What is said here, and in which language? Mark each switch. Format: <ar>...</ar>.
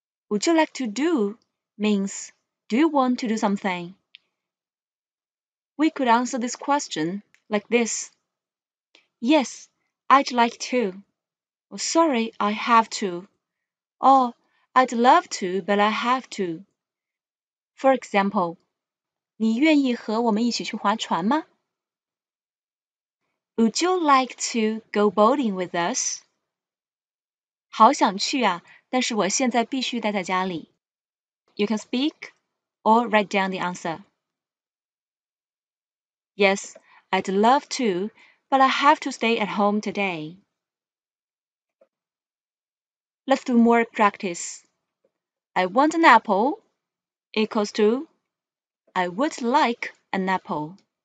<en>Would you like to do means, do you want to do something? We could answer this question like this. Yes, I'd like to. Or, sorry, I have to. Or, I'd love to, but I have to. For example,</en> <zh>你愿意和我们一起去划船吗?</zh> <en>Would you like to go boating with us?</en> <zh>好想去啊,但是我现在必须待在家里。</zh> <en>You can speak or write down the answer. Yes, I'd love to, but I have to stay at home today. Let's do more practice. I want an apple equals to I would like an apple.</en>